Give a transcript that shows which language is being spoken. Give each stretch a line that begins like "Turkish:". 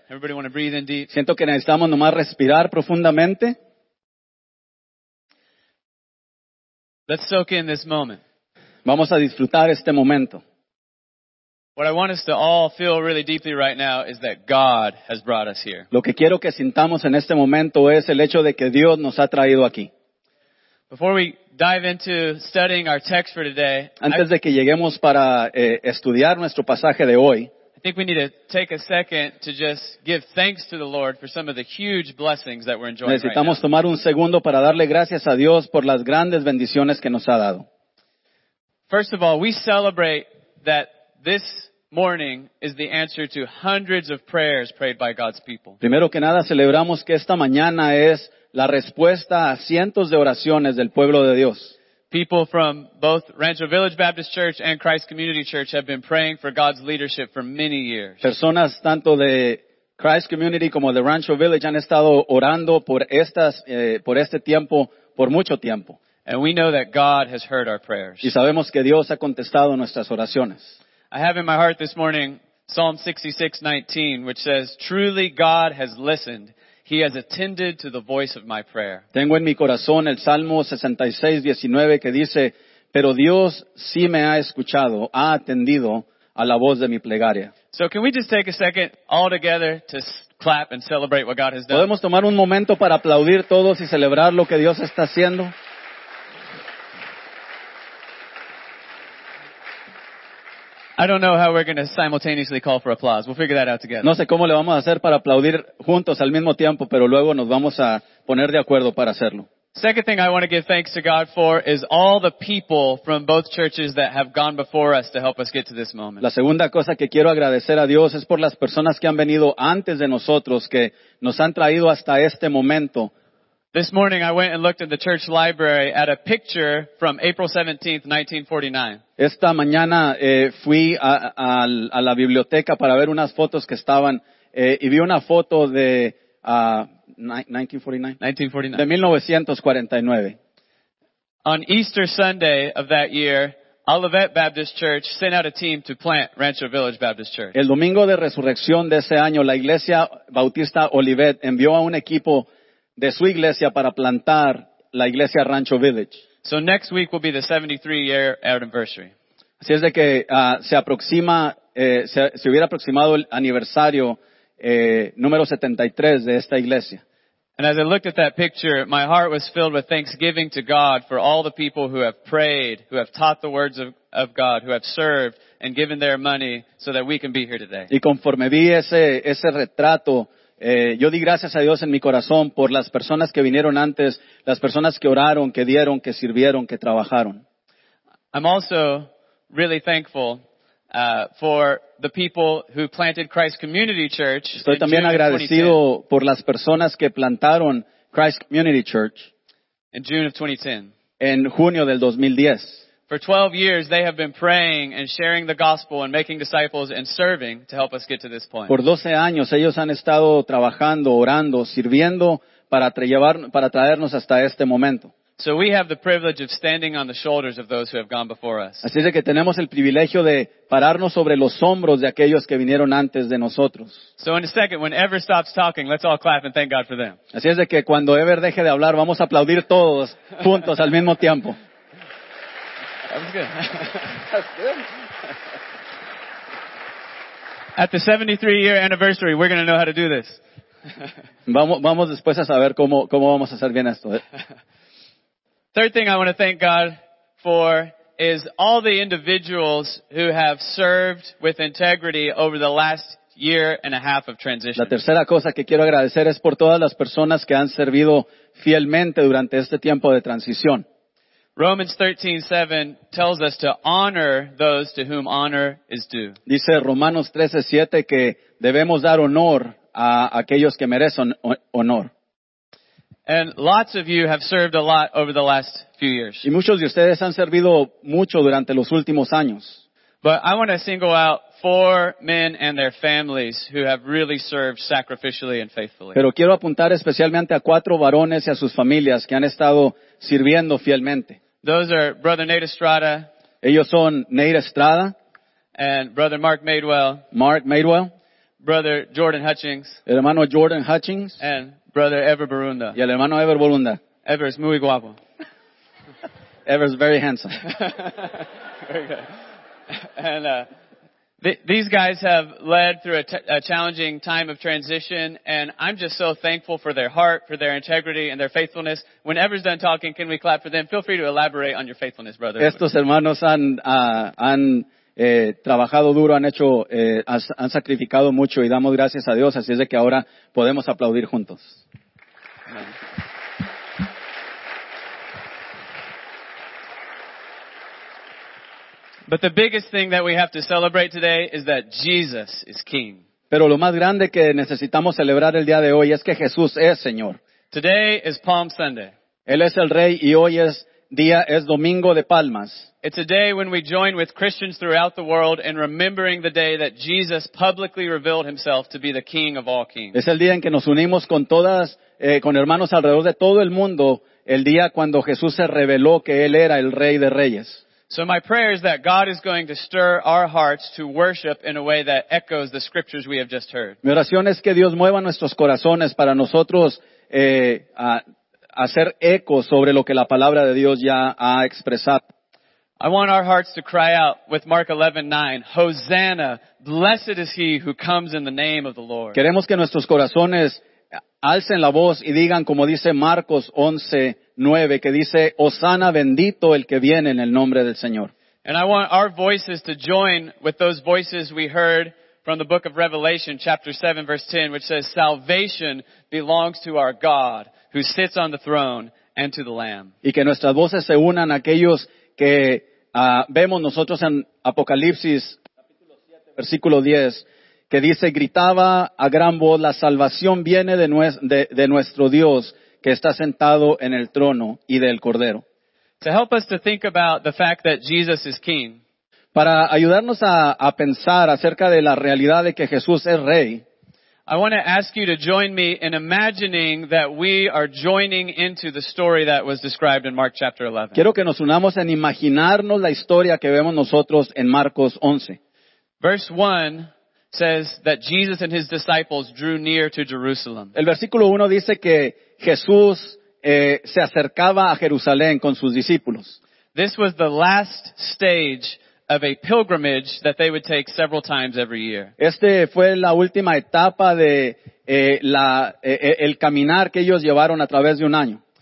English: Everybody want to breathe in deep?
Spanish: Siento que necesitamos nomás respirar profundamente.
English: Let's soak in this moment.
Spanish: Vamos a disfrutar este momento.
English: What I want us to all feel really deeply right now is that God has brought us here.
Spanish: Lo que quiero que sintamos en este momento es el hecho de que Dios nos ha traído aquí.
English: Before we dive into studying our text for today,
Spanish: antes de que lleguemos para estudiar nuestro pasaje de hoy,
English: I think we need to take a second to just give thanks to the Lord for some of the huge blessings that we're enjoying right now.
Spanish: Necesitamos tomar un segundo para darle gracias a Dios por las grandes bendiciones que nos ha dado.
English: First of all, we celebrate that this morning is the answer to hundreds of prayers prayed by God's people.
Spanish: Primero que nada, celebramos que esta mañana es la respuesta a cientos de oraciones del pueblo de Dios.
English: People from both Rancho Village Baptist Church and Christ Community Church have been praying for God's leadership for many years.
Spanish: Personas tanto de Christ Community como de Rancho Village han estado orando por este tiempo por mucho tiempo.
English: And we know that God has heard our prayers.
Spanish: Y sabemos que Dios ha contestado nuestras oraciones.
English: I have in my heart this morning Psalm 66:19, which says, "Truly God has listened; He has attended to the voice of my prayer."
Spanish: Tengo en mi corazón el Salmo 66:19 que dice, "Pero Dios sí me ha escuchado, ha atendido a la voz de mi plegaria."
English: So can we just take a second all together to clap and celebrate what God has done?
Spanish: ¿Podemos tomar un momento para aplaudir todos y celebrar lo que Dios está haciendo?
English: I don't know how we're going to simultaneously call for applause. We'll figure that out together.
Spanish: No sé cómo le vamos a hacer para aplaudir juntos al mismo tiempo, pero luego nos vamos a poner de acuerdo para hacerlo.
English: Second thing I want to give thanks to God for is all the people from both churches that have gone before us to help us get to this moment.
Spanish: La segunda cosa que quiero agradecer a Dios es por las personas que han venido antes de nosotros, que nos han traído hasta este momento.
English: This morning I went and looked in the church library at a picture from April 17th, 1949.
Spanish: Esta mañana fui a la biblioteca para ver unas fotos que estaban y vi una foto de 1949. De 1949.
English: On Easter Sunday of that year, Olivet Baptist Church sent out a team to plant Rancho Village Baptist Church.
Spanish: El domingo de resurrección de ese año, la iglesia Bautista Olivet envió a un equipo de su iglesia para plantar la iglesia Rancho Village.
English: So next week will be the 73-year anniversary.
Spanish: Así es de que se hubiera aproximado el aniversario número 73 de esta iglesia.
English: And as I looked at that picture, my heart was filled with thanksgiving to God for all the people who have prayed, who have taught the words of God, who have served and given their money so that we can be here today.
Spanish: Y conforme vi ese retrato, yo di gracias a Dios en mi corazón por las personas que vinieron antes, las personas que oraron, que dieron, que sirvieron, que trabajaron.
English: I'm also really thankful for the people who planted Christ Community Church.
Spanish: Estoy también agradecido por las personas que plantaron Christ Community Church
English: in June of 2010.
Spanish: En junio del 2010.
English: For 12 years, they have been praying and sharing the gospel and making disciples and serving to help us get to this point.
Spanish: Por 12 años, ellos han estado trabajando, orando, sirviendo para traernos hasta este momento.
English: So we have the privilege of standing on the shoulders of those who have gone before us.
Spanish: Así es que tenemos el privilegio de pararnos sobre los hombros de aquellos que vinieron antes de nosotros.
English: So in a second, when Ever stops talking, let's all clap and thank God for them.
Spanish: Así es que cuando Ever deje de hablar, vamos a aplaudir todos juntos al mismo tiempo.
English: That's good. At the 73-year anniversary, we're going to know how to do this.
Spanish: Vamos después a saber cómo vamos a hacer bien esto.
English: Third thing I want to thank God for is all the individuals who have served with integrity over the last year and a half of transition.
Spanish: La tercera cosa que quiero agradecer es por todas las personas que han servido fielmente durante este tiempo de transición.
English: Romans 13:7 tells us to honor those to whom honor is due.
Spanish: Dice Romanos 13:7 que debemos dar honor a aquellos que merecen honor.
English: And lots of you have served a lot over the last few years.
Spanish: Y muchos de ustedes han servido mucho durante los últimos años.
English: But I want to single out four men and their families who have really served sacrificially and faithfully.
Spanish: Pero quiero apuntar especialmente a cuatro varones y a sus familias que han estado sirviendo fielmente.
English: Those are Brother Nate Estrada.
Spanish: Ellos son Nate Estrada.
English: And Brother Mark Madewell.
Spanish: Mark Madewell.
English: Brother Jordan Hutchings.
Spanish: El hermano Jordan Hutchings.
English: And Brother Ever Barunda.
Spanish: Y el hermano Ever Barunda.
English: Ever is
Spanish: muy guapo.
English: Ever is very handsome. Very good. And these guys have led through a challenging time of transition, and I'm just so thankful for their heart, for their integrity, and their faithfulness. When Ever's done talking, can we clap for them? Feel free to elaborate on your faithfulness, brother.
Spanish: Estos hermanos han trabajado duro, han sacrificado mucho, y damos gracias a Dios, así es de que ahora podemos aplaudir juntos. Amen.
English: But the biggest thing that we have to celebrate today is that Jesus is King.
Spanish: Pero lo más grande que necesitamos celebrar el día de hoy es que Jesús es Señor.
English: Today is Palm Sunday.
Spanish: Él es el Rey y hoy es Domingo de Palmas.
English: It's a day when we join with Christians throughout the world in remembering the day that Jesus publicly revealed himself to be the King of all kings.
Spanish: Es el día en que nos unimos con hermanos alrededor de todo el mundo, el día cuando Jesús se reveló que Él era el Rey de Reyes.
English: So my prayer is that God is going to stir our hearts to worship in a way that echoes the scriptures we have just heard.
Spanish: Mi oración es que Dios mueva nuestros corazones para nosotros hacer eco sobre lo que la palabra de Dios ya ha expresado.
English: I want our hearts to cry out with Mark 11:9, Hosanna, blessed is he who comes in the name of the Lord.
Spanish: Queremos que nuestros corazones alcen la voz y digan como dice Marcos 11:9, que dice, Hosanna, bendito el que viene en el nombre del Señor.
English: And I want our voices to join with those voices we heard from the book of Revelation, chapter 7, verse 10, which says, Salvation belongs to our God, who sits on the throne, and to the Lamb.
Spanish: Y que nuestras voces se unan a aquellos que vemos nosotros en Apocalipsis, versículo 10, que dice, gritaba a gran voz, la salvación viene de nuestro Dios, que está sentado en el trono y del Cordero.
English: To help us to think about the fact that Jesus is King.
Spanish: Para ayudarnos a pensar acerca de la realidad de que Jesús es Rey.
English: I want to ask you to join me in imagining that we are joining into the story that was described in Mark chapter 11.
Spanish: Quiero que nos unamos en imaginarnos la historia que vemos nosotros en Marcos 11.
English: Verse 1 says that Jesus and his disciples drew near to Jerusalem.
Spanish: El versículo 1 dice que Jesús se acercaba a Jerusalén con sus discípulos.
English: This was the last stage of a pilgrimage that they would take several times every year.
Spanish: Este fue la última etapa de el caminar que ellos llevaron a través de un año.